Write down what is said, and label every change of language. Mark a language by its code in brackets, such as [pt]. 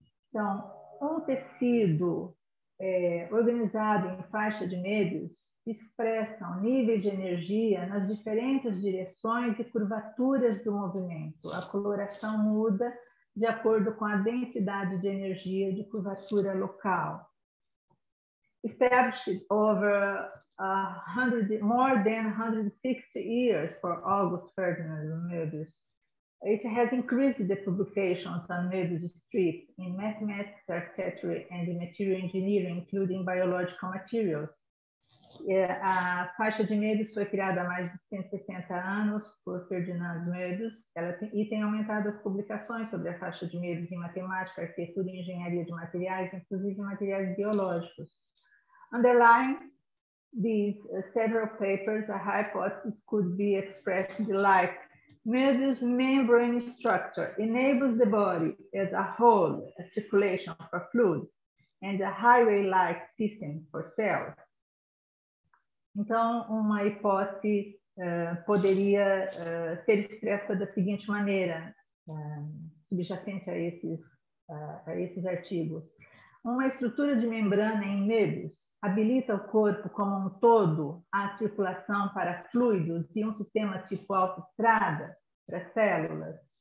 [pt] Então, tecido organizado em faixa de nervos expressam níveis de energia nas diferentes direções e curvaturas do movimento. A coloração muda de acordo com a densidade de energia de curvatura local. [en] Established over more than 160 years for August Ferdinand Möbius. It has increased the publications on Möbius strip in mathematics, architecture, and in material engineering, including biological materials. [pt] A faixa de Möbius foi criada há mais de 160 anos por Ferdinand Möbius e tem aumentado as publicações sobre a faixa de Möbius em matemática, arquitetura e engenharia de materiais, inclusive materiais biológicos. [en] Underlying these several papers, a hypothesis could be expressed like Möbius membrane structure enables the body as a whole a circulation for fluid and a highway-like system for cells. [pt] Então, uma hipótese poderia ser expressa da seguinte maneira, subjacente a esses artigos. Uma estrutura de membrana em Möbius habilita o corpo como um todo à circulação para fluidos e um sistema tipo autoestrada para células.